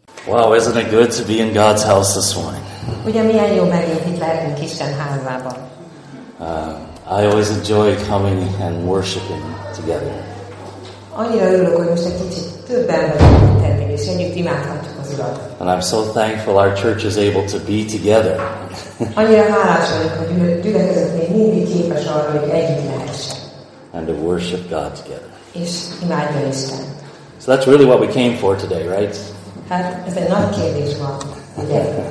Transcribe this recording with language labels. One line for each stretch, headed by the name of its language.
English: Wow, isn't it good to be in God's house this morning?
Hungarian: Ugye milyen jó megjönni lehetünk Isten házában.
English: I always enjoy coming and worshiping together.
Hungarian: Annyira örülök, hogy most egy kicsit többen vagyunk itt tenni, és együtt imádhatjuk az Urat.
English: And I'm so thankful our church is able to be together.
Hungarian: Annyira hálás vagyok, hogy gyülekezetünk még mindig képes arra, hogy együtt lehessen.
English: And to worship God together.
Hungarian: És imádjon Isten.
English: So that's really what we came for today, right?
Hungarian: Hát ez egy nagy kérdés van, ugye?